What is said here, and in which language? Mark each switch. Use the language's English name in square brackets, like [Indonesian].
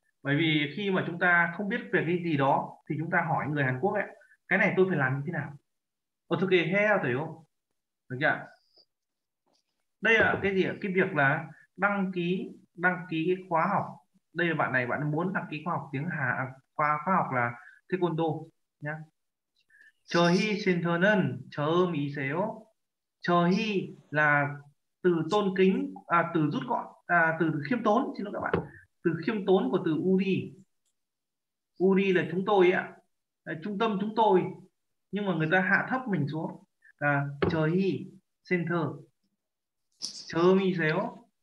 [Vietnamese] Bởi vì khi mà chúng ta không biết về cái gì đó thì chúng ta hỏi người Hàn Quốc ấy, cái này tôi phải làm như thế nào? [Korean] Otoke heya teo. [Vietnamese] Được chưa? Đây là cái gì ạ? Cái việc là đăng ký cái khóa học. Đây là bạn này bạn muốn đăng ký khóa học tiếng Hàn, khóa học là Taekwondo nhá. [Korean] 저희 센터는 처음이세요? [Vietnamese] 저희 là từ tôn kính, từ rút gọn, từ khiêm tốn, xin lỗi các bạn. Từ khiêm tốn của từ Uri. Uri là chúng tôi ạ. Trung tâm chúng tôi. Nhưng mà người ta hạ thấp mình xuống. [Korean] 저희 센터 처음이세요?